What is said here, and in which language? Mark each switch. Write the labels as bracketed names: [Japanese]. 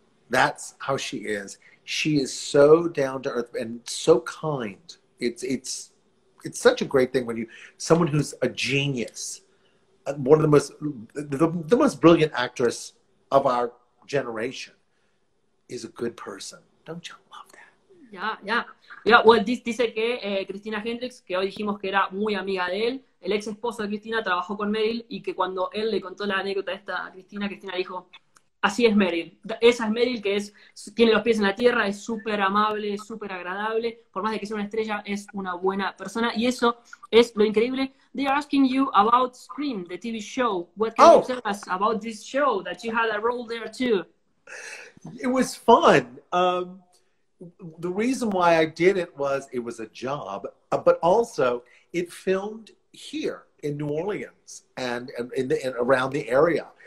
[English] That's how she is. She is so down to earth and so kind. It's such a great thing when someone who's a genius, one of the most brilliant actress of our generation, is a good person. Don't you love that? [Spanish] Dice que Cristina Hendricks, que hoy dijimos que era muy amiga de él, el ex esposo de Cristina trabajó con Meryl, y que cuando él le contó la anécdota a Cristina dijo, Así es Meryl. Esa es Meryl, que es, tiene los pies en la tierra, es súper amable, súper agradable. Por más de que sea una estrella, es una buena persona. Y eso es lo increíble. [English] They are asking you about Scream, the TV show. What can you tell us about this show that you had a role there too? It was fun. The reason why I did it was a job, but also it filmed here in New Orleans and around the area.